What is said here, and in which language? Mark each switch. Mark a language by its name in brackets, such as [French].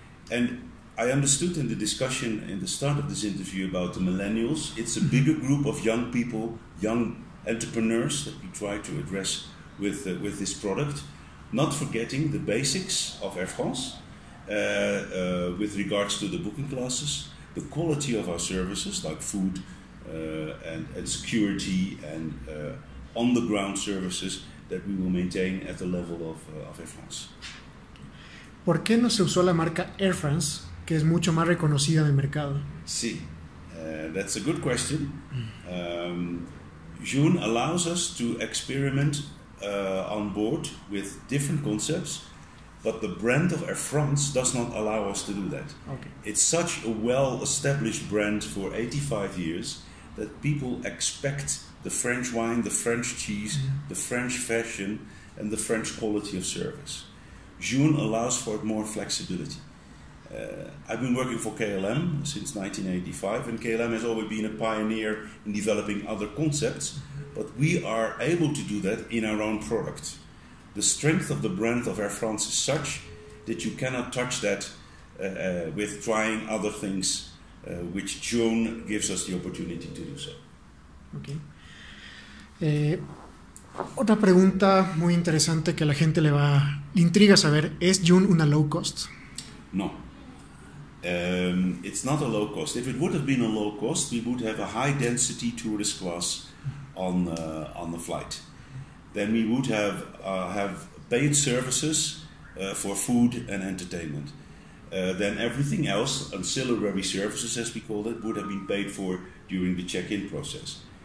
[English] And I understood in the discussion in the start of this interview about the millennials, it's a bigger group of young people, young entrepreneurs that we try to address with this product, not forgetting the basics of Air France with regards to the booking classes, the quality of our services like food and security and on the ground services that we will maintain at the level of Air France. [Spanish] ¿Por qué no se usó la marca Air France, que es mucho más reconocida en el mercado? [English] Sí, that's a good question. June allows us to experiment on board with different concepts, but the brand of Air France does not allow us to do that. Okay. It's such a well-established brand for 85 years that people expect the French wine, the French cheese, the French fashion, and the French quality of service. June allows for more flexibility. I've been working for KLM since 1985, and KLM has always been a pioneer in developing other concepts, but we are able to do that in our own product. The strength of the brand of Air France is such that you cannot touch that with trying other things, which June gives us the opportunity to do so. Okay. [Spanish] Otra pregunta muy interesante que a la gente le va, le intriga saber, ¿es Yun una low cost? [English] No. It's not a low cost. If it would have been a low cost, we would have a high density tourist class on the flight. Then we would have paid services for food and entertainment. Then everything else, ancillary services as we call it, would have been paid for during the check-in process.